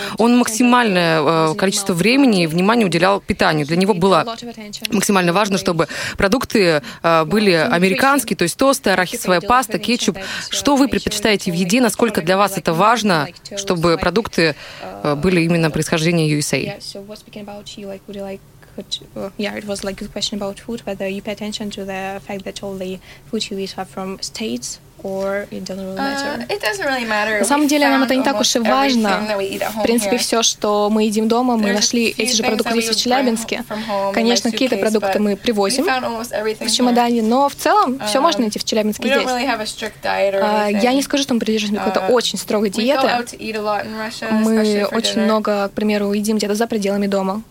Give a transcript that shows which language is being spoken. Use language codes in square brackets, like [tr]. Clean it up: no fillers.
[ru] Он максимальное количество времени и внимания уделял питанию. Для него было максимально важно, чтобы продукты были американские, то есть тосты, арахисовая паста, кетчуп. Что вы предпочитаете в еде? Насколько для вас это важно, чтобы продукты были именно происхождения USA? [en] Yeah, it was like a question about food, whether you pay attention to the fact that all the food you eat are from states or it doesn't really matter. It doesn't really matter. [ru] На самом деле, нам это не так уж и важно. В принципе, все, что мы едим дома, мы нашли эти же продукты здесь, в Челябинске. Конечно, какие-то продукты мы привозим в чемодане, но в целом все можно найти в Челябинске здесь. Я не скажу, что мы придерживаемся какой-то очень строгой диеты. Мы очень много, к примеру, едим где-то за пределами дома.